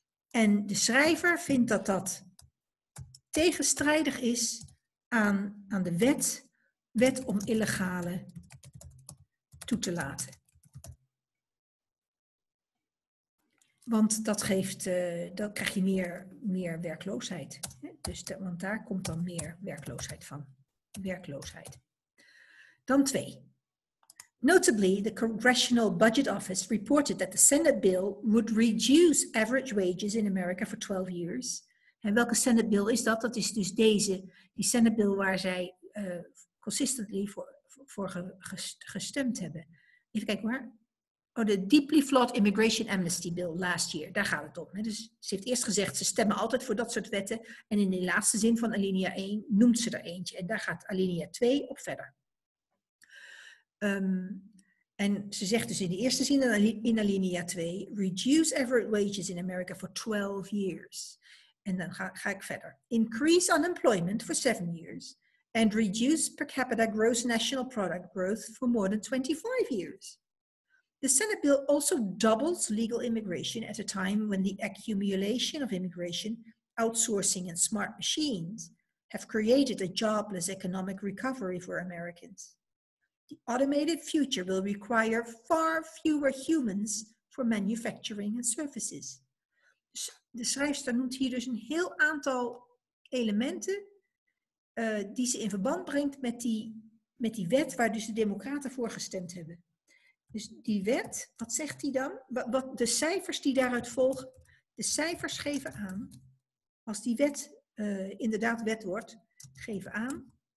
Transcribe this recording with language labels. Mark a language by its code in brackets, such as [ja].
[nl] En de schrijver vindt dat dat tegenstrijdig is aan de wet om illegale toe te laten. Want dat geeft, dan krijg je meer werkloosheid. He, dus want daar komt dan meer werkloosheid van. Werkloosheid. Dan 2. [en] Notably, the Congressional Budget Office reported that the Senate bill would reduce average wages in America for 12 years. [nl] En welke Senate bill is dat? Dat is dus deze, die Senate bill waar zij consistently voor gestemd hebben. Even kijken waar. Oh, de Deeply Flawed Immigration Amnesty Bill last year. Daar gaat het om. Hè. Dus ze heeft eerst gezegd, ze stemmen altijd voor dat soort wetten. En in die laatste zin van alinea 1 noemt ze er eentje. En daar gaat alinea 2 op verder. En ze zegt dus in de eerste zin in alinea 2, [en] reduce average wages in America for 12 years. [nl] En dan ga ik verder. [en] Increase unemployment for 7 years and reduce per capita gross national product growth for more than 25 years. The Senate bill also doubles legal immigration at a time when the accumulation of immigration, outsourcing and smart machines have created a jobless economic recovery for Americans. The automated future will require far fewer humans for manufacturing and services. [nl] De schrijfster noemt hier dus een heel aantal elementen die ze in verband brengt met die wet waar dus de democraten voor gestemd hebben. Dus die wet, wat zegt die dan? Wat de cijfers die daaruit volgen, de cijfers geven aan, als die wet inderdaad wet wordt, geven aan...